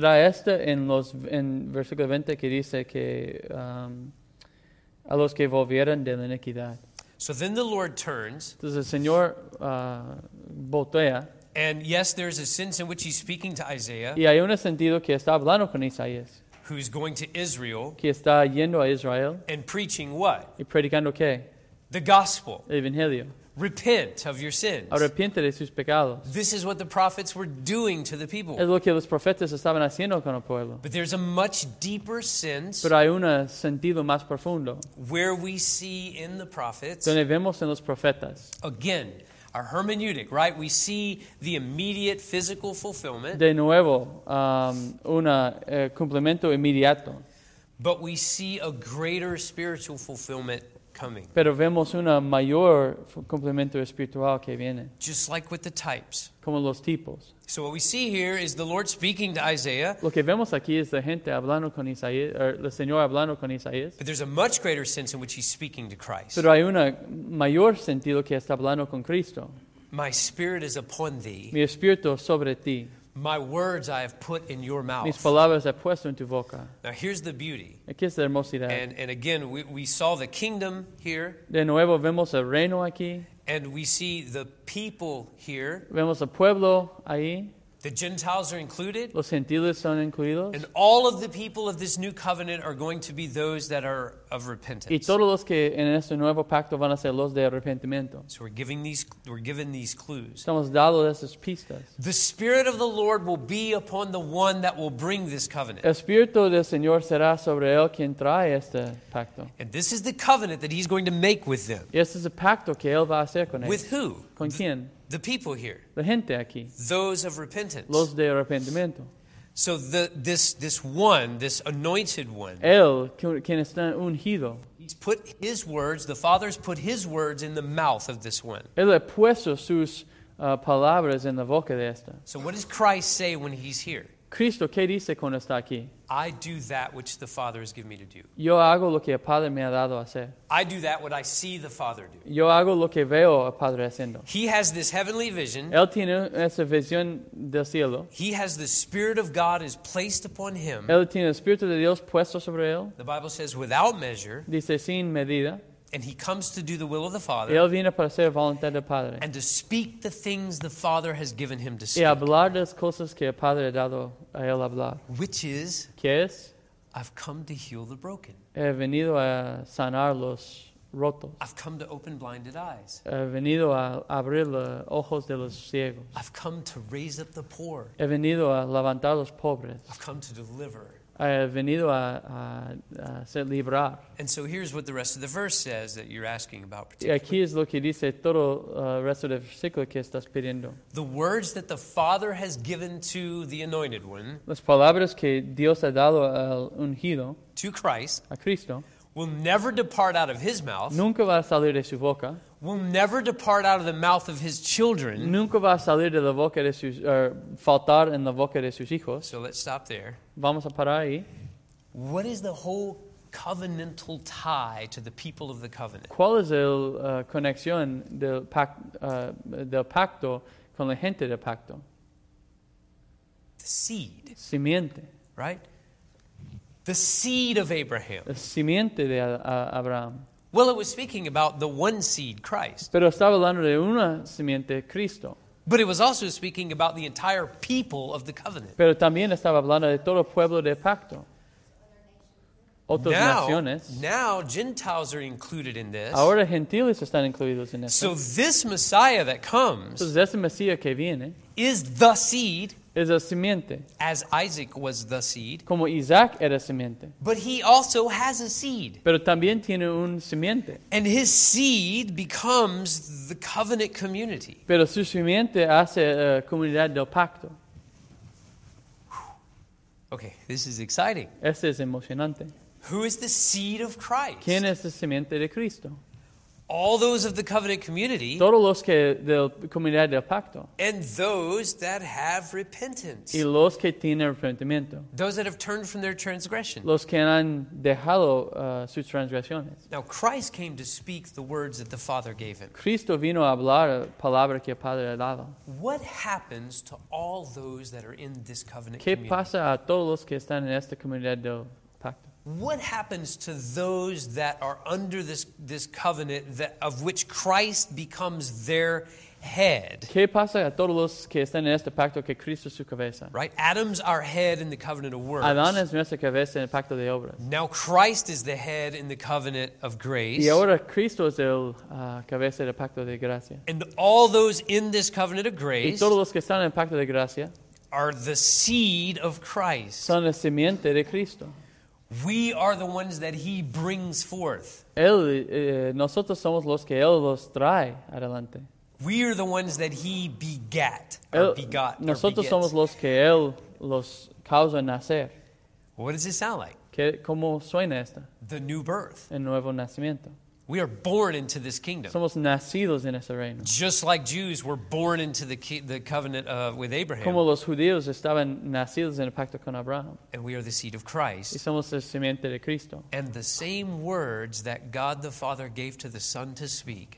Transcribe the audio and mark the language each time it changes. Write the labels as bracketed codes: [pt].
[es] Será esta en versículo 20 que dice que a los que volvieran de la iniquidad. [en] So then the Lord turns. [es] Entonces el Señor voltea. [en] And yes, there's a sense in which he's speaking to Isaiah. [es] Y hay un sentido que está hablando con Isaías. [en] Who's going to Israel. [es] Que está yendo a Israel. [en] And preaching what? [es] Y predicando qué? [en] The gospel. [es] El evangelio. [en] Repent of your sins. [es] Arrepiente de sus pecados. [en] This is what the prophets were doing to the people. [es] Es lo que los profetas estaban haciendo con el pueblo. [en] But there's a much deeper sense. [es] Pero hay un sentido más profundo. [en] Where we see in the prophets. [es] Donde vemos en los profetas. [en] Again. Our hermeneutic, right? We see the immediate physical fulfillment. [es] De nuevo, cumplimiento inmediato. [en] But we see a greater spiritual fulfillment coming. [es] Pero vemos una mayor cumplimiento espiritual que viene. [en] Just like with the types. [es] Como los tipos. [en] So what we see here is the Lord speaking to Isaiah. [es] Lo que vemos aquí es la gente hablando con Isaías, o el Señor hablando con Isaías. [en] But there's a much greater sense in which he's speaking to Christ. [es] Pero hay un mayor sentido que está hablando con Cristo. [en] My spirit is upon thee. [es] Mi espíritu sobre ti. [en] My words I have put in your mouth. [es] Mis palabras he puesto en tu boca. [en] Now here's the beauty. [es] Aquí es la hermosidad. [en] And again, we saw the kingdom here. [es] De nuevo vemos el reino aquí. [en] And we see the people here. [es] Vemos el pueblo ahí. [en] The Gentiles are included. [es] Los gentiles son incluidos. [en] And all of the people of this new covenant are going to be those that are of repentance. [es] Y todos los que en este nuevo pacto van a ser los de arrepentimiento. [en] So we're given these clues. [es] Estamos dados esas pistas. [en] The Spirit of the Lord will be upon the one that will bring this covenant. [es] El Espíritu del Señor será sobre él quien trae este pacto. [en] And this is the covenant that he's going to make with them. [es] Y este es el pacto que él va a hacer con ellos. [en] With who? [es] ¿Con quién? [en] The people here. [es] La gente aquí. [en] Those of repentance. [es] Los de arrepentimiento. [en] So this one, this anointed one. [es] Él, quien está ungido. [en] He's put his words, the Father's put his words in the mouth of this one. [es] Él ha puesto sus palabras en la boca de esta. [en] So what does Christ say when he's here? [es] Cristo, ¿qué dice cuando está aquí? [en] I do that which the Father has given me to do. [es] Yo hago lo que el Padre me ha dado hacer. [en] I do that what I see the Father do. [es] Yo hago lo que veo al Padre haciendo. [en] He has this heavenly vision. [es] Él tiene esa visión del cielo. [en] He has the Spirit of God is placed upon him. [es] Él tiene el Espíritu de Dios puesto sobre él. [en] The Bible says without measure. [es] Dice sin medida. [en] And he comes to do the will of the Father. [es] Y él viene para hacer la voluntad del Padre. [en] And to speak the things the Father has given him to speak. [es] Y hablar las cosas que el Padre ha dado a él hablar. [en] Which is? [es] ¿Qué es? [en] I've come to heal the broken. [es] He venido a sanar los rotos. [en] I've come to open blinded eyes. [es] He venido a abrir los ojos de los ciegos. [en] I've come to raise up the poor. [es] He venido a levantar los pobres. [en] I've come to deliver. I have [es] venido a ser librar. [en] And so here's what the rest of the verse says that you're asking about particularly. [es] Aquí es lo que dice todo resto del versículo que estás pidiendo. [en] The words that the Father has given to the anointed one. [es] Las palabras que Dios ha dado al ungido. [en] To Christ. [es] A Cristo. [en] Will never depart out of his mouth. [es] Nunca va a salir de su boca. [en] Will never depart out of the mouth of his children. [es] Nunca va a salir de la boca de sus, faltar en la boca de sus hijos. [en] So let's stop there. [es] Vamos a parar ahí. [en] What is the whole covenantal tie to the people of the covenant? [es] ¿Cuál es el conexión del del pacto con la gente del pacto? [en] The seed. [es] Simiente. [en] Right? The seed of Abraham. [es] La simiente de Abraham. [en] Well, it was speaking about the one seed, Christ. [es] Pero estaba hablando de una simiente, Cristo. [en] But it was also speaking about the entire people of the covenant. [es] Pero también estaba hablando de todo pueblo del pacto. Otras [en] now, [es] naciones. [en] Now, Gentiles are included in this. [es] Ahora gentiles están incluidos en esto. [en] So this Messiah that comes. [es] Entonces, ese Mesías que viene. [en] Is the seed. [es] Es la simiente. [en] As Isaac was the seed. [es] Como Isaac era simiente. [en] But he also has a seed. [es] Pero también tiene un simiente. [en] And his seed becomes the covenant community. [es] Pero su simiente hace la comunidad del pacto. [en] Okay, this is exciting. [es] Este es emocionante. [en] Who is the seed of Christ? [es] ¿Quién es la simiente de Cristo? [en] All those of the covenant community. [es] Todos los que del comunidad del pacto. [en] And those that have repentance. [es] Y los que tienen arrepentimiento. [en] Those that have turned from their transgression. [es] Los que han dejado sus transgresiones. [en] Now Christ came to speak the words that the Father gave him. [es] Cristo vino a hablar la palabra que el Padre ha dado. [en] What happens to all those that are in this covenant [es] ¿Qué [en] community? [es] ¿Qué pasa a todos los que están en esta comunidad del pacto? [en] What happens to those that are under this covenant that of which Christ becomes their head? [es] ¿Qué pasa a todos los que están en este pacto que Cristo es su cabeza? [en] Right, Adam's our head in the covenant of works. [es] Adán es nuestra cabeza en el pacto de obras. [en] Now Christ is the head in the covenant of grace. [es] Y ahora Cristo es el cabeza del pacto de gracia. [en] And all those in this covenant of grace. [es] Y todos los que están en el pacto de gracia. [en] Are the seed of Christ. [es] Son la simiente de Cristo. [en] We are the ones that he brings forth. [es] Él, nosotros somos los que él los trae adelante. [en] We are the ones that he begat, él, or begot, [es] nosotros [en] or [es] somos los que él los causa nacer. [en] What does it sound like? [es] ¿Qué, cómo suena esto? [en] The new birth. [es] El nuevo nacimiento. [en] We are born into this kingdom. [es] Somos nacidos en ese reino. [en] Just like Jews were born into the covenant with Abraham. [es] Como los judíos estaban nacidos en el pacto con Abraham. [en] And we are the seed of Christ. [es] Y somos la simiente de Cristo. [en] And the same words that God the Father gave to the Son to speak.